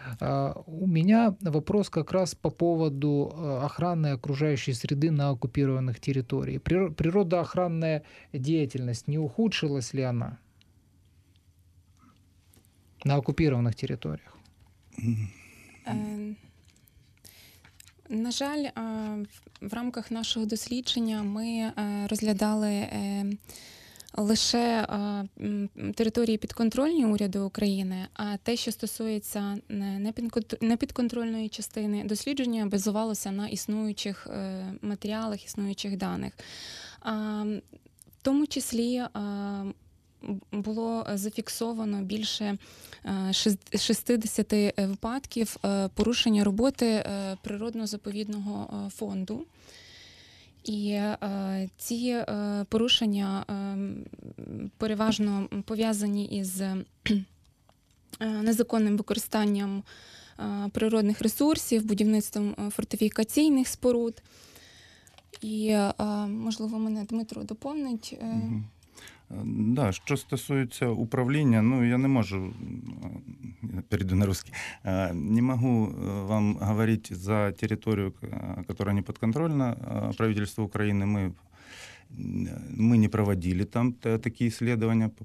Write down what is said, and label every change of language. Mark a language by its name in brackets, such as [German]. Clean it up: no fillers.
[Russian] У меня вопрос как раз по поводу охраны окружающей среды на оккупированных территориях. Природоохранная деятельность, не ухудшилась ли она на оккупированных территориях? [Ukrainian] На жаль, в рамках нашого дослідження ми розглядали лише території підконтрольні уряду України, а те, що стосується непідконтрольної частини дослідження, базувалося на існуючих матеріалах, існуючих даних. В тому числі було зафіксовано більше 60 випадків порушення роботи природно-заповідного фонду. І ці порушення переважно пов'язані із незаконним використанням природних ресурсів, будівництвом фортифікаційних споруд. І, можливо, мене Дмитро доповнить. [Russian] Да, что касается управления, ну, я не могу, перейду на русский, не могу вам говорить за территорию, которая не подконтрольна правительству Украины. Мы не проводили там такие исследования.